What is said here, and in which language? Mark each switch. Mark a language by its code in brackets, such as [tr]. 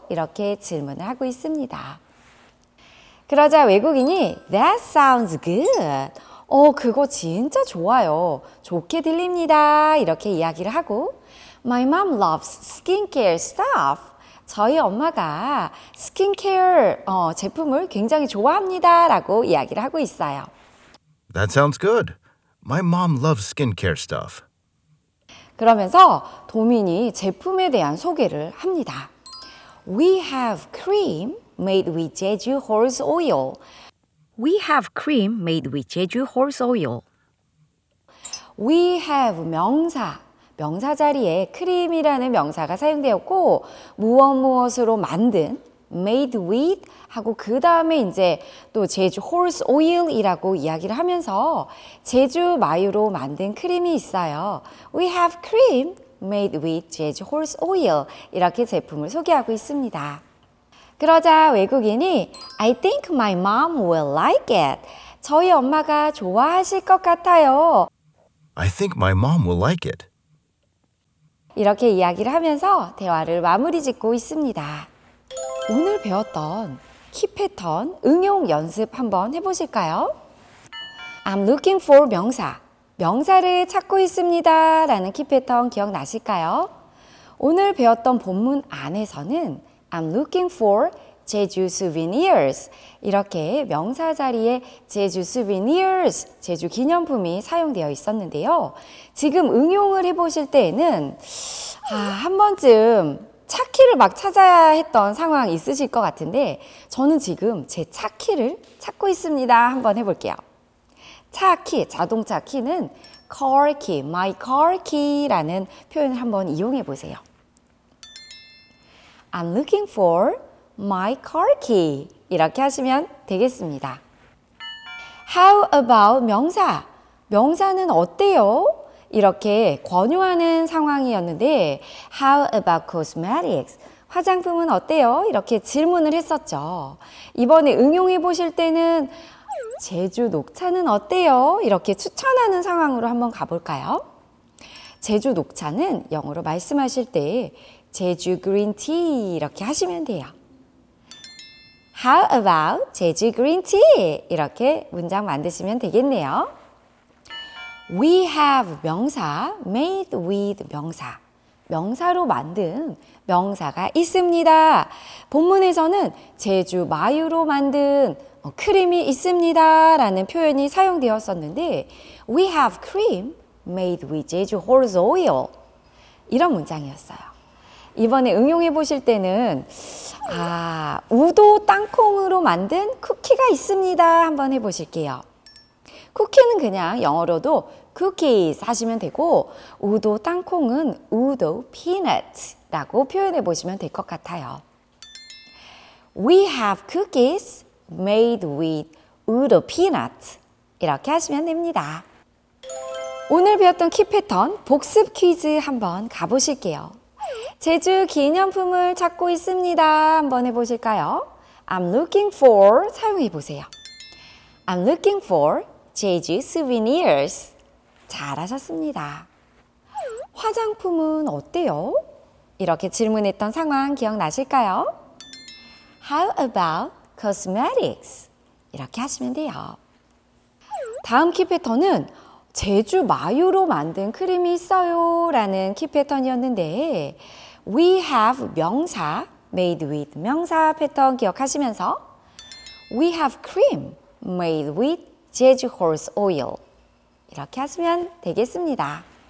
[ko] 이렇게 질문을 하고 있습니다. 그러자 외국인이 [en] That sounds good. [ko] 그거 진짜 좋아요. 좋게 들립니다. 이렇게 이야기를 하고 [en] My mom loves skincare stuff. [ko] 저희 엄마가 스킨케어 제품을 굉장히 좋아합니다. 라고 이야기를 하고 있어요. [en] That sounds good. My mom loves skincare stuff. [ko] 그러면서 도민이 제품에 대한 소개를 합니다. [en] We have cream made with Jeju horse oil. We have cream made with Jeju horse oil. We have 명사. [ko] 명사 자리에 크림이라는 명사가 사용되었고 무엇 무엇으로 만든 [en] made with [ko] 하고 그 다음에 이제 또 제주 horse oil이라고 이야기를 하면서 제주 마유로 만든 크림이 있어요. [en] We have cream made with 제주 horse oil [ko] 이렇게 제품을 소개하고 있습니다. 그러자 외국인이 [en] I think my mom will like it. [ko] 저희 엄마가 좋아하실 것 같아요. [en] I think my mom will like it. [ko] 이렇게 이야기를 하면서 대화를 마무리 짓고 있습니다. 오늘 배웠던 키 패턴 응용 연습 한번 해보실까요? [en] I'm looking for 명사. [ko] 명사를 찾고 있습니다. 라는 키 패턴 기억나실까요? 오늘 배웠던 본문 안에서는 [en] I'm looking for 제주 souvenirs. [ko] 이렇게 명사 자리에 제주 souvenirs, 제주 기념품이 사용되어 있었는데요. 지금 응용을 해보실 때에는 한 번쯤 차키를 막 찾아야 했던 상황 있으실 것 같은데 저는 지금 제 차키를 찾고 있습니다. 한번 해볼게요. 차키, 자동차 키는 car key, my car key라는 표현을 한번 이용해 보세요. [en] I'm looking for My car key. [ko] 이렇게 하시면 되겠습니다. [en] How about 명사? [ko] 명사는 어때요? 이렇게 권유하는 상황이었는데 [en] How about cosmetics? [ko] 화장품은 어때요? 이렇게 질문을 했었죠. 이번에 응용해 보실 때는 제주 녹차는 어때요? 이렇게 추천하는 상황으로 한번 가볼까요? 제주 녹차는 영어로 말씀하실 때 제주 green tea 이렇게 하시면 돼요. [en] How about 제주 green tea? [ko] 이렇게 문장 만드시면 되겠네요. [en] We have 명사, made with 명사. [ko] 명사로 만든 명사가 있습니다. 본문에서는 제주 마유로 만든 크림이 있습니다. 라는 표현이 사용되었었는데 [en] We have cream made with 제주 horse oil. [ko] 이런 문장이었어요. 이번에 응용해 보실 때는 우도 땅콩으로 만든 쿠키가 있습니다. 한번 해보실게요. 쿠키는 그냥 영어로도 cookies 하시면 되고 우도 땅콩은 우도 peanuts라고 표현해 보시면 될 것 같아요. [en] We have cookies made with 우도 peanuts. [ko] 이렇게 하시면 됩니다. 오늘 배웠던 키 패턴 복습 퀴즈 한번 가보실게요. 제주 기념품을 찾고 있습니다. 한번 해보실까요? [en] I'm looking for [ko] 사용해보세요. [en] I'm looking for 제주 souvenirs. [ko] 잘하셨습니다. 화장품은 어때요? 이렇게 질문했던 상황 기억나실까요? [en] How about cosmetics? [ko] 이렇게 하시면 돼요. 다음 키패턴은 제주 마유로 만든 크림이 있어요 라는 키패턴이었는데 [en] We have 명사, made with 명사 [ko] 패턴 기억하시면서 [en] We have cream made with 제주 horse oil [ko] 이렇게 하시면 되겠습니다.